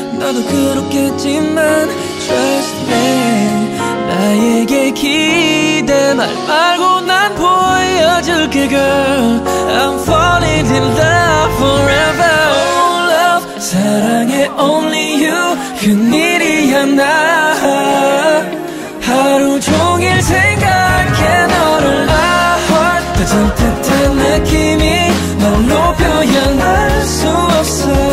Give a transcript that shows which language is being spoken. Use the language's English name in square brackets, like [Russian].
[English] Trust me, [Korean] 나에게 기대 말 말고 난 보여줄게 [English] girl. I'm falling in love forever. Oh love, [Korean] 사랑해 [English] only you, [Korean] 큰 일이야 나. 하루 종일 생각해 너를. [English] My heart [Korean] 다친 듯한 느낌이 말로 표현할 수 없어.